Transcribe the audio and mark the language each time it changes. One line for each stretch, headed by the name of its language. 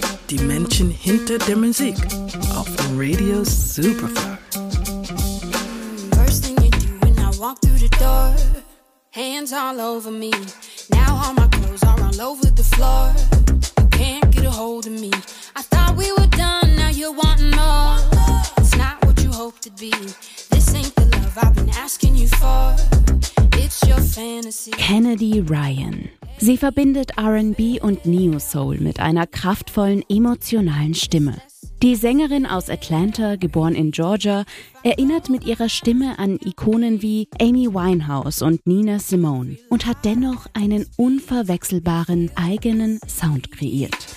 German: Die Menschen hinter der Musik auf Radio Superfly.
English: First thing you do when I walk through the door, hands all over me. Now all my clothes are all over the floor. You can't get a hold of me. I thought we were done, now you're wanting more. It's not what you hoped it'd be. This ain't the love I've been asking you for. It's your fantasy. Kennedy Ryan.
German: Sie verbindet R&B und Neo-Soul mit einer kraftvollen, emotionalen Stimme. Die Sängerin aus Atlanta, geboren in Georgia, erinnert mit ihrer Stimme an Ikonen wie Amy Winehouse und Nina Simone und hat dennoch einen unverwechselbaren eigenen Sound kreiert.